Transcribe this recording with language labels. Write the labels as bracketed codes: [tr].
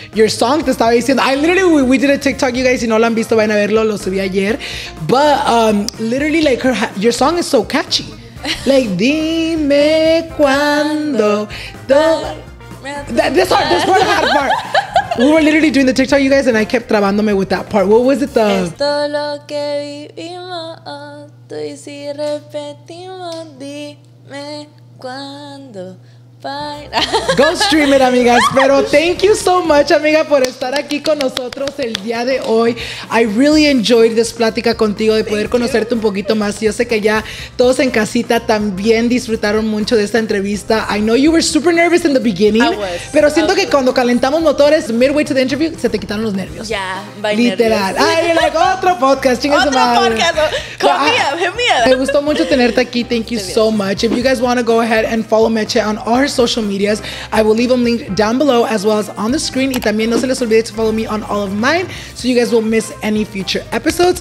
[en] Your song, [es] te estaba diciendo, [en] we did a TikTok, you guys, [es] si no lo han visto, vayan a verlo, lo subí ayer, [en] but literally, like, your song is so catchy, like, dime cuando this part, the hard part. We were literally doing the TikTok, you guys, and I kept trabándome with that part. What was it, the [es] esto lo que vivimos tú y si repetimos dime cuando. [en] Bye. Go stream it, [es] amigas. Pero [en] thank you so much, [es] amiga, por estar aquí con nosotros el día de hoy. [en] I really enjoyed this [es] plática contigo, de poder conocerte un poquito más. Yo sé que ya todos en casita también disfrutaron mucho de esta entrevista. [en] I know you were super nervous in the beginning. I was. [es] Pero siento que cuando calentamos motores, [en] midway to the interview, [es] se te quitaron los nervios. Ya, yeah, literal. Ay, [en] like, [es] otro podcast. Otro podcast. [en] Hit me up. [es] Me gustó mucho tenerte aquí. [en] Thank you so much. If you guys want to go ahead and follow Meche on all her social medias, I will leave them linked down below as well as on the screen. [es] Y también no se les olvide [en] to follow me on all of mine, so you guys won't miss any future episodes.